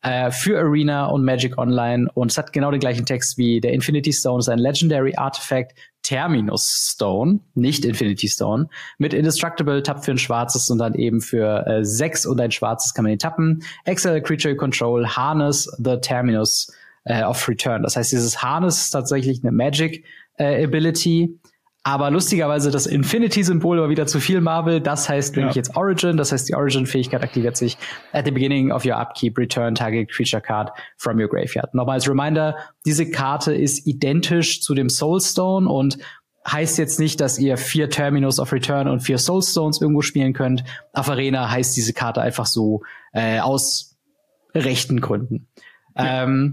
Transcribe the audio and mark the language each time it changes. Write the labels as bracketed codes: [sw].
[de] Für Arena und Magic Online, und es hat genau den gleichen Text wie der Infinity Stone, ist ein Legendary Artifact Terminus Stone, nicht Infinity Stone, mit Indestructible, Tap für ein schwarzes und dann eben für 6 und ein schwarzes kann man ihn tappen. [en] Exile Creature Control, Harness the Terminus of Return. [de] Das heißt, dieses Harness ist tatsächlich eine Magic Ability, aber lustigerweise das Infinity-Symbol war wieder zu viel Marvel. Das heißt nämlich jetzt Origin. Das heißt, die Origin-Fähigkeit aktiviert sich. [en] At the beginning of your upkeep, return target creature card from your graveyard. [de] Nochmal als Reminder, diese Karte ist identisch zu dem Soulstone und heißt jetzt nicht, dass ihr 4 Terminus of Return und 4 Soulstones irgendwo spielen könnt. Auf Arena heißt diese Karte einfach so aus rechten Gründen. Ja.